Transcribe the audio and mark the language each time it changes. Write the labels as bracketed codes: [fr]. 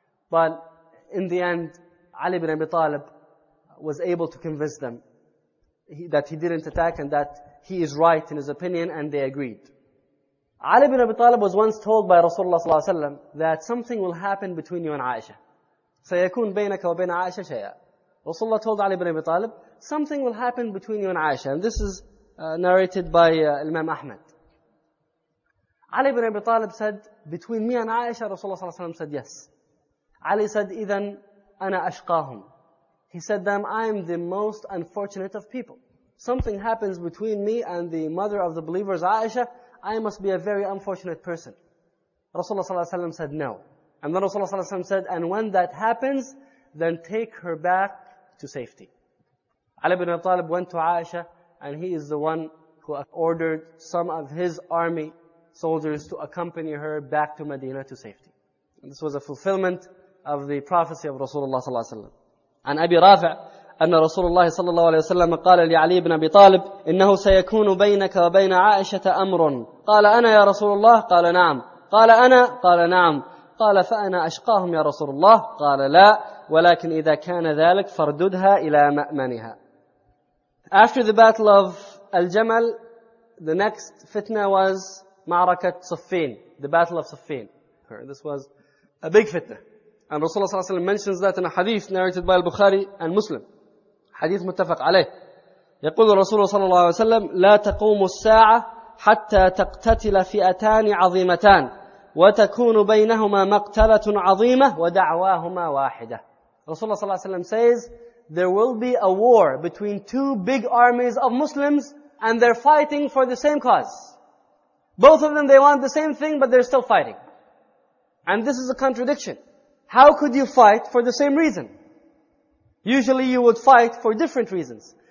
[en] But in the end, Ali ibn Abi Talib was able to convince them that he didn't attack and that he is right in his opinion, and they agreed. Ali ibn Abi Talib was once told by Rasulullah sallallahu alaihi wasallam that something will happen between you and Aisha. [ar] سيكون بينك وبين عائشة شيئا. [en] Rasulullah told Ali ibn Abi Talib, something will happen between you and Aisha. And this is narrated by Imam Ahmad. Ali ibn Abi Talib said, between me and Aisha, Rasulullah sallallahu alaihi wasallam said, yes. Ali said, [ar] إذن أنا أشقاهم. [en] He said them, I am the most unfortunate of people. Something happens between me and the mother of the believers, Aisha, I must be a very unfortunate person. Rasulullah sallallahu alaihi wasallam said, no. And then Rasulullah sallallahu alaihi wasallam said, and when that happens, then take her back to safety. Ali ibn Abi Talib went to Aisha, and he is the one who ordered some of his army soldiers to accompany her back to Medina to safety. And this was a fulfillment of the prophecy of Rasulullah sallallahu alaihi wasallam. [ar] And Abi Rafi' أن رسول الله صلى الله عليه وسلم قال لعلي بن أبي طالب إنه سيكون بينك وبين عائشة أمر قال أنا يا رسول الله قال نعم قال أنا قال نعم قال فأنا أشقاهم يا رسول الله قال لا ولكن إذا كان ذلك فرددها إلى مأمنها. [en] After the battle of Al-Jamal, the next fitna was [ar] معركة صفين, [en] the battle of صفين. This was a big fitna. And Rasulullah [ar] صلى الله عليه وسلم [en] mentions that in a hadith narrated by Al-Bukhari and Muslim. [ar] حديث متفق عليه. يقول الرسول صلى الله عليه وسلم لا تقوم الساعة حتى تقتتل فئتان عظيمتان وتكون بينهما مقتلة عظيمة ودعواهما واحدة. رسول الله صلى الله عليه وسلم [en] says there will be a war between two big armies of Muslims and they're fighting for the same cause. Both of them, they want the same thing, but they're still fighting. And this is a contradiction. How could you fight for the same reason? Usually you would fight for different reasons.